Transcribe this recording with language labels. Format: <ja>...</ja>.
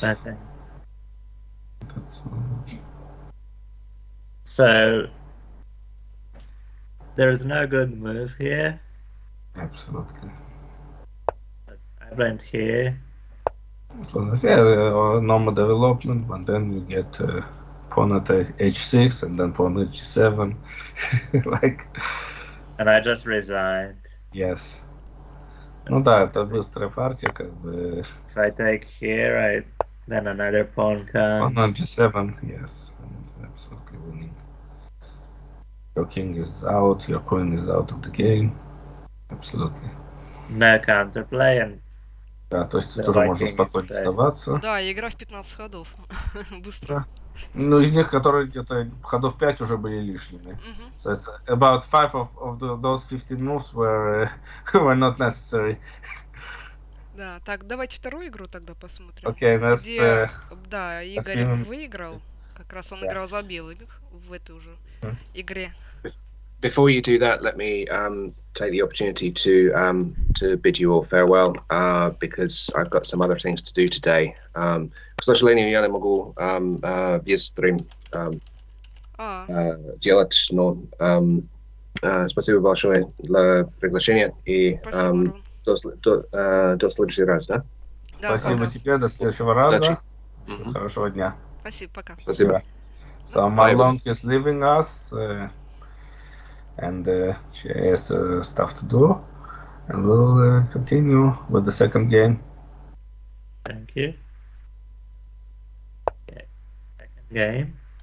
<en>That's so there is no good move here. Absolutely. But I went here. So, yeah, normal development, but then you get. Pawn at h6 and then pawn at g7. Like. And I just resigned. Yes.</en> <ru>Ну да, это быстрая партия, как бы.</ru> <en>If I take here, then another pawn comes. Pawn on g7, yes. And absolutely winning. Your king is out, your queen is out of the game. Absolutely. No counterplay and.</en> <ru>Да, то есть тут уже можно спокойно сдаваться. Да, игра в 15 ходов. Быстро. Ну, из них, которые где-то ходов 5 уже были лишними. Mm-hmm.</ru> <en>So it's about 5 of those 15 moves were not necessary.</en> <ru>Да, так, давайте вторую игру тогда посмотрим.</ru> <en>Okay, next,</en> <ru>где, да, Игорь выиграл. Как раз он играл за белых в этой уже игре.</ru> <en>Before you do that, let me take the opportunity to bid you all farewell because I've got some other things to do today.</en> <ru>К сожалению, я не могу весь стрим делать, но спасибо большое за приглашение и до следующего раза. Да? Спасибо тебе, до следующего раза. Хорошего дня. Спасибо, пока. Спасибо.</ru> <en>So my long is leaving us, and she has stuff to do, and we'll continue with the second game. Thank you. Second game.</en>